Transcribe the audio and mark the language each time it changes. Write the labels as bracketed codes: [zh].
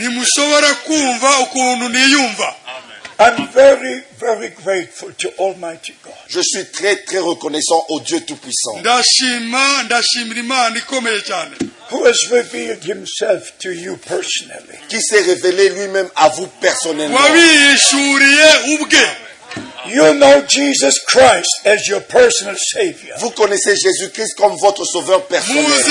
[rw] Ni mushobora kumva ukuntu niyumva. [en] I'm very, very grateful to Almighty God. [fr] Je suis très, très reconnaissant au Dieu Tout-Puissant. [rw] Ndashimira Imana ikomeye cyane. [en] Who has revealed himself to you personally? [fr] Qui s'est révélé lui-même à vous personnellement? [rw] Wabishuriye ubwe. [en] You know Jesus Christ as your personal Savior. [fr] Vous connaissez Jésus-Christ comme votre sauveur personnel.